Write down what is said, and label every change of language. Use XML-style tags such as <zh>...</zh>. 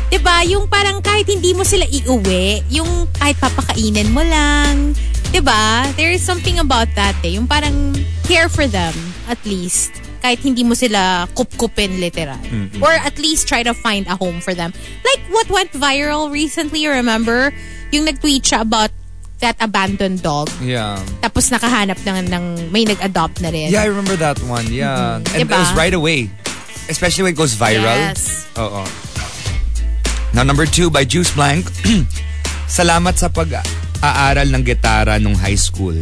<tl>Diba? Yung parang kahit hindi mo sila iuwi, yung kahit papakainin mo lang. Diba?</tl> <en>There is something about that eh.</en> <tl>Yung parang</tl> <en>care for them, at least.</en> <tl>Kahit hindi mo sila kup-kupin literal. Mm-hmm.</tl> <en>Or at least try to find a home for them. Like what went viral recently, remember?</en> <tl>Yung nag-tweet siya</tl> <en>about that abandoned dog. Yeah.</en> <tl>Tapos nakahanap ng may nag-adopt na rin.</tl> <en>Yeah, I remember that one. Yeah. Mm-hmm. And diba? It was right away. Especially when it goes viral. Yes. Oh. Now, number two by Juice Blank.</en> <tl>Salamat sa pag aaral ng gitara nung high school.</tl>